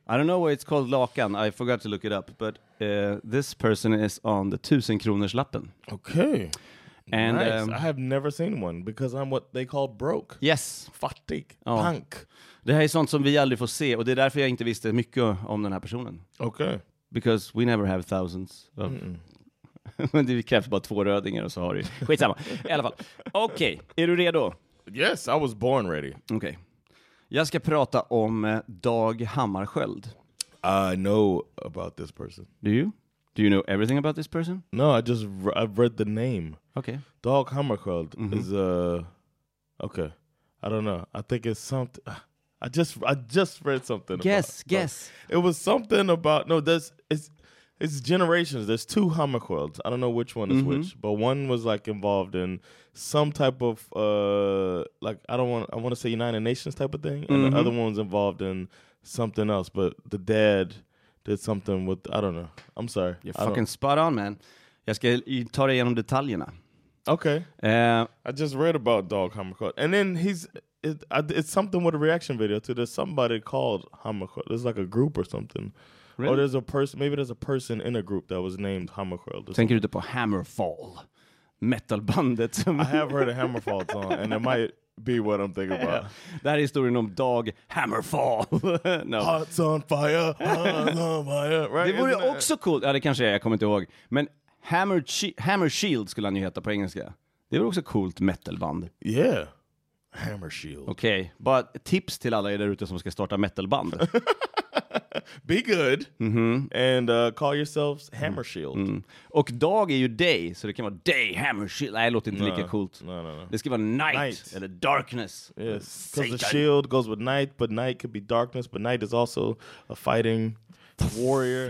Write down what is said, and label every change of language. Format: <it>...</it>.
<en>I don't know why it's called lakan, I forgot to look it up. But this person is on the 1000-kronorslappen. Okay. And nice. I have never seen one because I'm what they call broke. Yes.</en> <sv>Fattig.</sv> <en>Oh. Punk.</en> <sv>Det här är sånt som vi aldrig får se och det är därför jag inte visste mycket om den här personen.</sv> <en>Okay. Because we never have thousands of...</en> <sv>Men det krävs bara 2 rödingar och så har du. Skitsamma. I alla fall. Okej, okay. Är du redo?</sv> <en>Yes, I was born ready. Okej. Okay.</en> <sv>Jag ska prata om Dag Hammarsköld.</sv> <en>I know about this person. Do you? Do you know everything about this person? No, I've read the name. Okay. Dag Hammarskjöld is okay. I don't know. I think it's something. I just read something. Guess. It was something about, no, it's generations. There's 2 Hammarskjölds. I don't know which one is which, but one was like involved in some type of I want to say United Nations type of thing, and the other one's involved in something else, but the dad did something with, I don't know. I'm sorry. You're fucking spot on, man.</en> <sv>Jag ska ta dig igenom detaljerna.</sv> <en>Okay. I just read about Dog Hammarskjöld. And then it's something with a reaction video to this. Somebody called Hammarskjöld. There's like a group or something Really? Or there's a person, maybe there's a person in a group that was named Hammarsköld.</en> <sv>Tänker du på Hammerfall? Metalbandet.</sv> <en>I have heard a Hammerfall song, and it might be what I'm thinking about.</en> <sv>Det här är historien om Dag Hammarsköld.</sv> <en>No. Hearts on fire, hearts on fire. Right?</en> <sv>Det vore också coolt. Ja, det kanske är, jag kommer inte ihåg. Men Hammarsköld skulle han ju heta på engelska. Det vore också coolt metalband.</sv> <en>Yeah. Hammarsköld.</en> <sv>Okej, okay. Bara tips till alla er där ute som ska starta metalband.</sv> <en>Be good. Mm-hmm. And call yourselves Hammarsköld. Mm.</en> <sv>Och Dag är ju Day, så det kan vara Day Hammarsköld. Nej, det låter inte lika coolt.</sv> <en>No.</en> <sv>Det ska vara night eller darkness.</sv> <en>Yes, because the shield goes with night, but night could be darkness, but night is also a fighting warrior.</en>